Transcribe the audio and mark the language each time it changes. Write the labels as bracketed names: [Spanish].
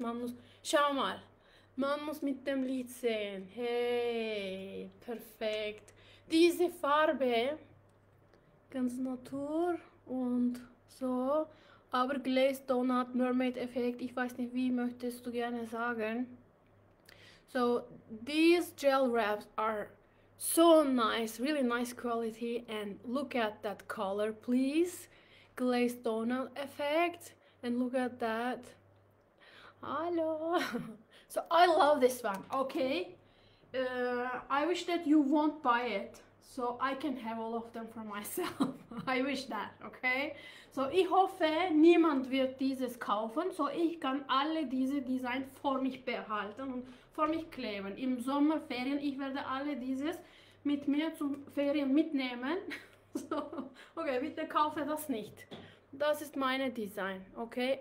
[German] Man muss, schau mal, man muss mit dem Licht sehen. Hey, perfekt. Diese Farbe, ganz Natur und so. Aber Glazed Donut Mermaid Effekt, ich weiß nicht, wie möchtest du gerne sagen. [English] So, these gel wraps are so nice, really nice quality. And look at that color, please. Glazed Donut Effekt. And look at that. Hello. So I love this one. Okay. I wish that you won't buy it so I can have all of them for myself. I wish that, okay? [German] So ich hoffe, niemand wird dieses kaufen, so ich kann alle diese Designs vor mich behalten und vor mich kleben. Im Sommerferien, ich werde alle dieses mit mir zum Ferien mitnehmen. So, okay, bitte kaufe das nicht. Das ist meine Design, okay?